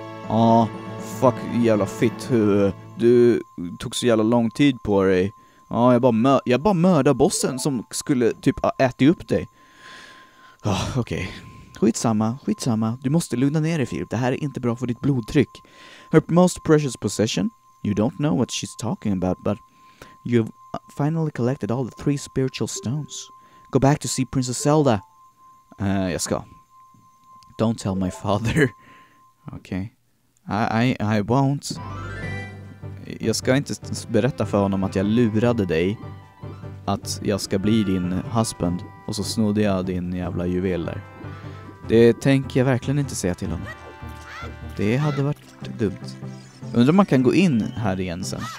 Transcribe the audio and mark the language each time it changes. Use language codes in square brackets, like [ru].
[sv] Ah, fuck, jävla fitt. Du tog så jävla lång tid på dig. Ja, jag bara mördar bossen som skulle typ äta upp dig. Ja, oh, okej. Okay. Skitsamma. Du måste lugna ner dig, Filip. Det här är inte bra för ditt blodtryck. [en] Her most precious possession? You don't know what she's talking about, but you've finally collected all the 3 spiritual stones. Go back to see Princess Zelda. [sv] Jag ska. [en] Don't tell my father. Okej. Okay. I won't. [sv] jag ska inte berätta för honom att jag lurade dig att jag ska bli din husband och så snodde jag din jävla juvel där. Det tänker jag verkligen inte säga till honom. Det hade varit dumt. Undrar om man kan gå in här igen sen.